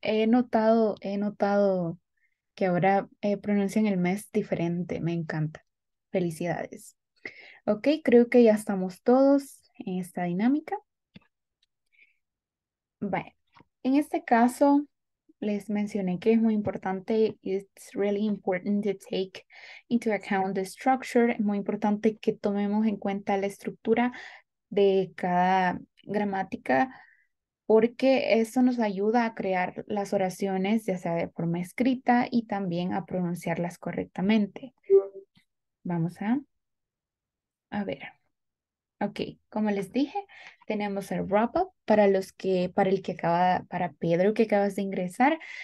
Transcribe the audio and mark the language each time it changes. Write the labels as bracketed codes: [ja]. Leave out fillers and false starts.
[es] He notado que ahora pronuncian el mes diferente. Me encanta. Felicidades. Ok, creo que ya estamos todos en esta dinámica. Bueno, en este caso les mencioné que es muy importante. [en] It's really important to take into account the structure. [es] Es muy importante que tomemos en cuenta la estructura de cada gramática, porque eso nos ayuda a crear las oraciones, ya sea de forma escrita y también a pronunciarlas correctamente. Vamos a ver. Ok, como les dije, tenemos el wrap-up para Pedro que acabas de ingresar.